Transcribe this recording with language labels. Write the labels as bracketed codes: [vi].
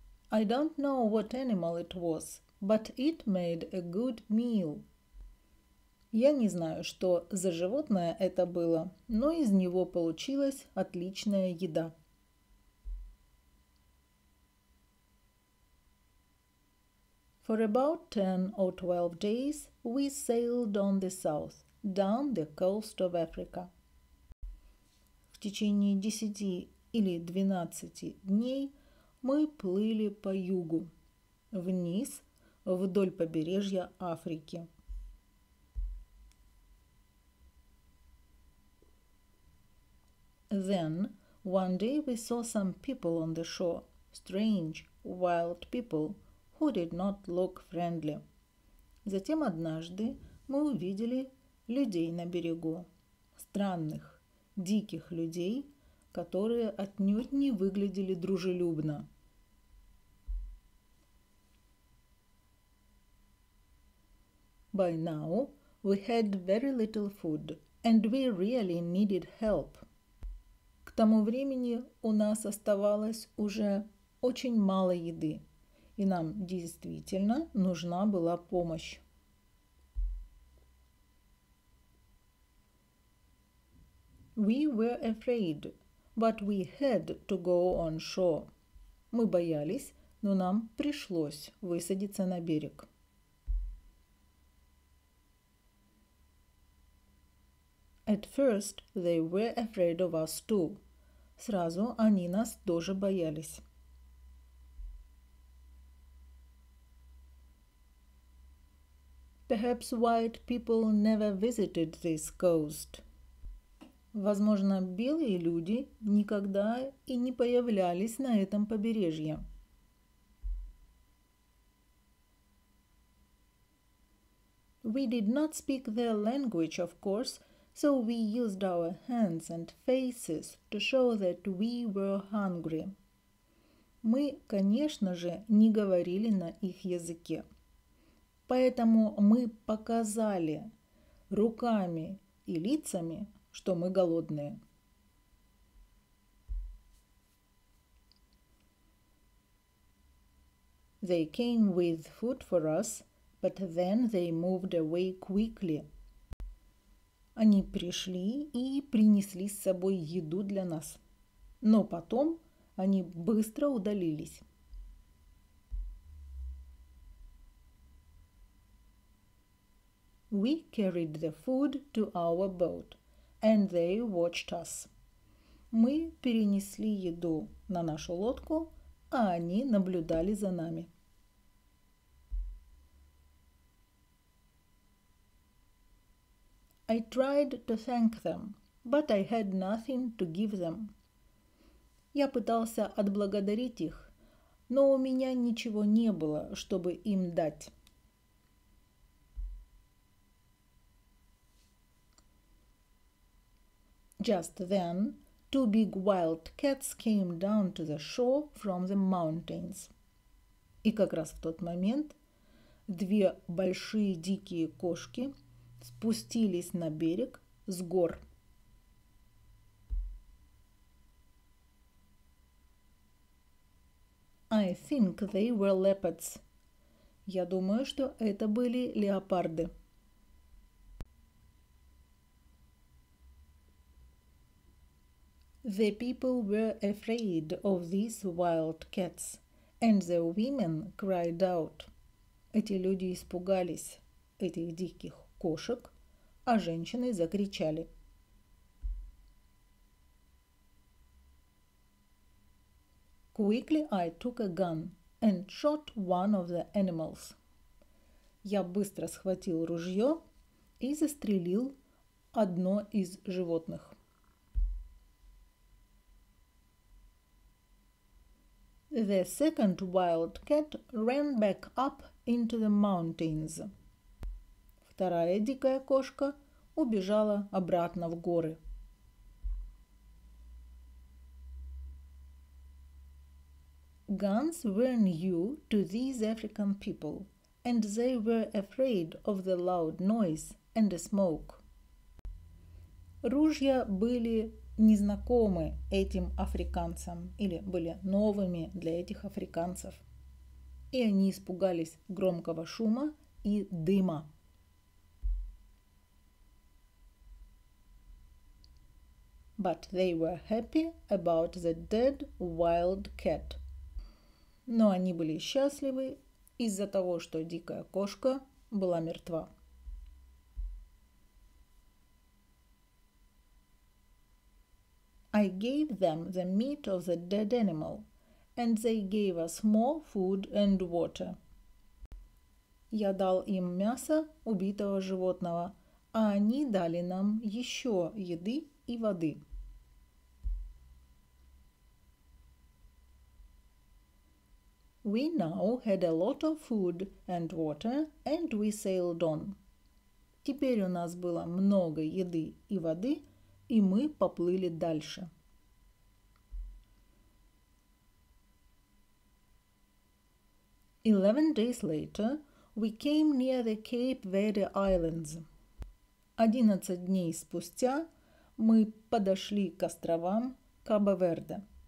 [en] I don't know what animal it was. But it made a good meal. [ru] Я не знаю, что за животное это было, но из него получилась отличная еда. [en] For about 10 or 12 days we sailed on the south, down the coast of Africa. [ru] В течение 10 или 12 дней мы плыли по югу, вниз, вдоль побережья Африки. [en] Then, one day we saw some people on the shore, strange, wild people, who did not look friendly. [ru] Затем однажды мы увидели людей на берегу, странных, диких людей, которые отнюдь не выглядели дружелюбно. [en] By now we had very little food, and we really needed help. [ru] К тому времени у нас оставалось уже очень мало еды, и нам действительно нужна была помощь. [en] We were afraid, but we had to go on shore. [ru] Мы боялись, но нам пришлось высадиться на берег. [en] At first they were afraid of us too. [ru] Сразу они нас тоже боялись. [en] Perhaps white people never visited this coast. [ru] Возможно, белые люди никогда и не появлялись на этом побережье. [en] We did not speak their language, of course. So we used our hands and faces to show that we were hungry. [ru] Мы, конечно же, не говорили на их языке. Поэтому мы показали руками и лицами, что мы голодные. [en] They came with food for us, but then they moved away quickly. [ru] Они пришли и принесли с собой еду для нас. Но потом они быстро удалились. [en] We carried the food to our boat, and they watched us. [ru] Мы перенесли еду на нашу лодку, а они наблюдали за нами. [en] I tried to thank them, but I had nothing to give them. [ru] Я пытался отблагодарить их, но у меня ничего не было, чтобы им дать. [en] Just then, two big wild cats came down to the shore from the mountains. [ru] И как раз в тот момент две большие дикие кошки спустились на берег с гор. [en] I think they were leopards. [ru] Я думаю, что это были леопарды. [en] The people were afraid of these wild cats, and the women cried out. [ru] Эти люди испугались этих диких кошек, а женщины закричали. [en] Quickly I took a gun and shot one of the animals. [ru] Я быстро схватил ружье и застрелил одно из животных. [en] The second wild cat ran back up into the mountains. [ru] Вторая дикая кошка убежала обратно в горы. [en] Guns were new to these African people, and they were afraid of the loud noise and the smoke. [ru] Ружья были незнакомы этим африканцам или были новыми для этих африканцев. И они испугались громкого шума и дыма. [en] But they were happy about the dead wild cat. [ru] Но они были счастливы из-за того, что дикая кошка была мертва. [en] I gave them the meat of the dead animal, and they gave us more food and water. [ru] Я дал им мясо убитого животного, а они дали нам еще еды и воды. [en] We now had a lot of food and water, and we sailed on. [ru] Теперь у нас было много еды и воды, и мы поплыли дальше. [en] Eleven days later, we came near the Cape Verde Islands. [ru] 11 дней спустя мы подошли к островам Кабо-Верде.